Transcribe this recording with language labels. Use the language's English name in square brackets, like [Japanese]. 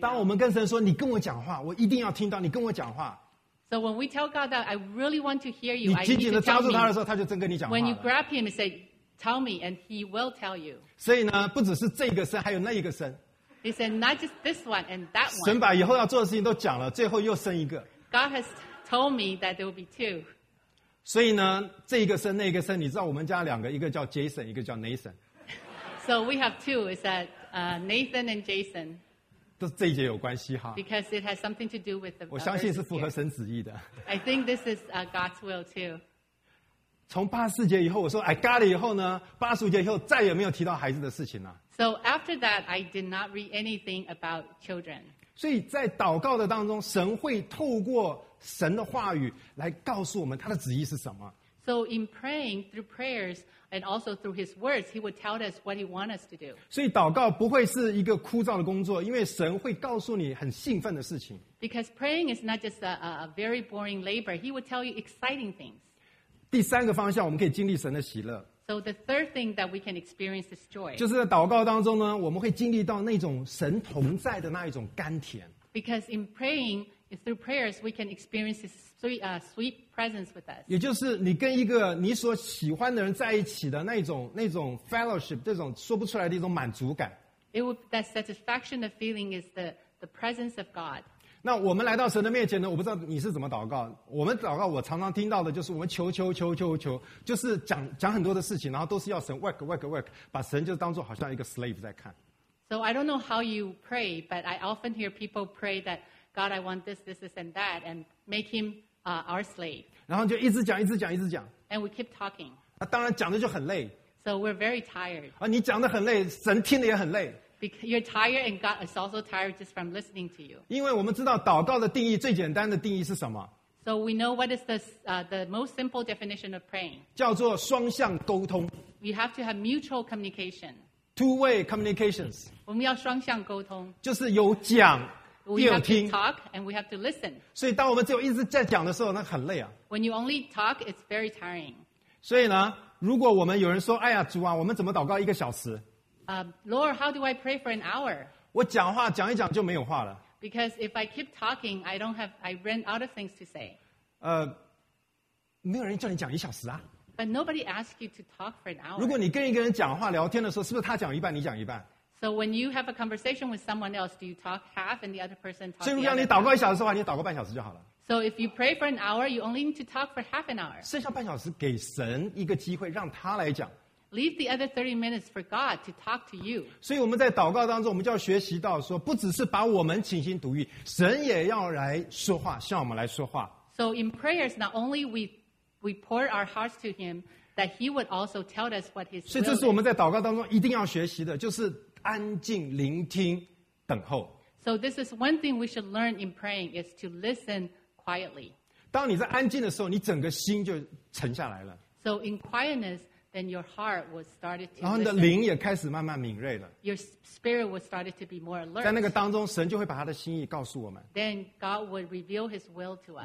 [Chinese] 当我们跟神说你跟我讲话，我一定要听到你跟我讲话。 [English] So when we tell God that I really want to hear you, [Chinese] 你紧紧的抓住他的时候，他就真跟你讲话。 [English] When you grab him and say, "Tell me," and he will tell you. [Chinese] 所以呢，不只是这个生，还有那一个生。 [English] He said, "Not just this one and that one." [Chinese] 神把以后要做的事情都讲了，最后又生一个。 [English] God has told me that there will be two. [Chinese] 所以呢，这一个生，那一个生，你知道我们家两个，一个叫 Jason， 一个叫 Nathan。 [English] So we have two. Is that Nathan and Jason? [Chinese] 都这一节有关系哈。 [English] Because it has something to do with the. [Chinese] 我相信是符合神旨意的。 [English] I think this is God's will too. [Chinese] 从八十四节以后，我说 [English] "I got" [Chinese] 了以后呢，八十五节以后再也没有提到孩子的事情了。 [English] So after that, I did not read anything about children. [Chinese] 所以在祷告的当中，神会透过神的话语来告诉我们他的旨意是什么。 [English] So in praying through prayers and also through His words, He would tell us what He wants us to do. [Chinese] 所以祷告不会是一个枯燥的工作，因为神会告诉你很兴奋的事情。 [English] Because praying is not just a very boring labor. He would tell you exciting things. [Chinese] 第三个方向，我们可以经历神的喜乐。 [English] So the third thing that we can experience is joy. [Chinese] 就是在祷告当中呢，我们会经历到那种神同在的那一种甘甜。 [English] Because in praying, through prayers, we can experience His sweet presence with us. [Chinese] 也就是你跟一个你所喜欢的人在一起的那种 fellowship, 这种说不出来的一种满足感。 [English] That satisfaction of feeling is the presence of God. [Chinese] 那我们来到神的面前呢，我不知道你是怎么祷告。我们祷告，我常常听到的就是我们求求求求求，就是讲很多的事情，然后都是要神 [English] work work work， [Chinese] 把神就当作好像一个 slave 在看。 [English] So I don't know how you pray, but I often hear people pray that God, I want this, this, this, and that, and make him our slave. [Chinese] 然后就一直讲，一直讲，一直讲。 [English] And we keep talking. [Chinese] 那当然讲的就很累。 [English] So we're very tired. [Chinese] 啊，你讲的很累，神听的也很累。 [English] Because you're tired and God is also tired just from listening to you. [Chinese] 因为我们知道祷告的定义，最简单的定义是什么？ [English] So we know what is the most simple definition of praying. [Chinese] 叫做双向沟通。 [English] We have to have mutual communication. Two-way communications. [Chinese] 我们要双向沟通。就是有讲。 [English] We have to talk and we have to listen. [Chinese] 所以当我们只有一直在讲的时候，那很累啊。 [English] When you only talk, it's very tiring. [Chinese] 所以呢，如果我们有人说，哎呀，主啊，我们怎么祷告一个小时？ [English] Lord, how do I pray for an hour? [Chinese] 我讲话讲一讲就没有话了。 [English] Because if I keep talking, I run out of things to say. [Chinese] 没有人叫你讲一小时啊。 [English] But nobody asks you to talk for an hour. [Chinese] 如果你跟一个人讲话聊天的时候，是不是他讲一半，你讲一半？ [English] So when you have a conversation with someone else, do you talk half and the other person talk? [Chinese] 所以如果你祷告一小时的话，你祷告半小时就好了。 [English] So if you pray for an hour, you only need to talk for half an hour. [Chinese] 剩下半小时给神一个机会，让他来讲。 [English] Leave the other 30 minutes for God to talk to you. [Chinese] 所以我们在祷告当中，我们就要学习到说，不只是把我们倾心独意，神也要来说话，向我们来说话。 [English] So in prayers, not only we pour our hearts to Him, that He would also tell us what His will is. [Chinese] 所以这是我们在祷告当中一定要学习的，就是。安静聆听等候。 [English] So this is one thing we should learn in praying is to listen quietly. [Chinese] 当你在安静的时候，你整个心就沉下来了。 [English] So in quietness, then your heart was started to. [Chinese] 然后你的灵也开始慢慢敏锐了。 [English] Your spirit was started to be more alert. [Chinese] 在那个当中，神就会把他的心意告诉我们。 [English] Then God would reveal His will to us.